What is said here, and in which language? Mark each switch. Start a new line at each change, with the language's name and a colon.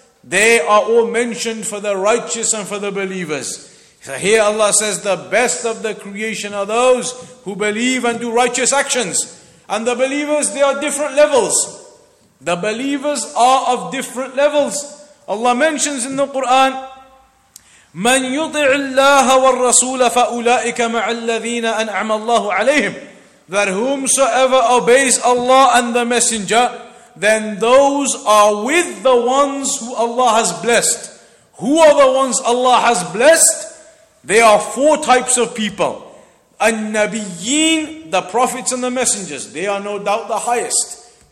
English: They are all mentioned for the righteous and for the believers. So here Allah says the best of the creation are those who believe and do righteous actions. And the believers, they are different levels. The believers are of different levels. Allah mentions in the Quran,
Arabic: مَنْ يُطِعِ اللَّهَ وَالرَّسُولَ فَأُولَٰئِكَ مَعَ الَّذِينَ أَنْعَمَ اللَّهُ عَلَيْهِمْ.
English: That whomsoever obeys Allah and the Messenger, then those are with the ones who Allah has blessed. Who are the ones Allah has blessed? They are four types of people. النبيين, the prophets and the messengers. They are no doubt the highest.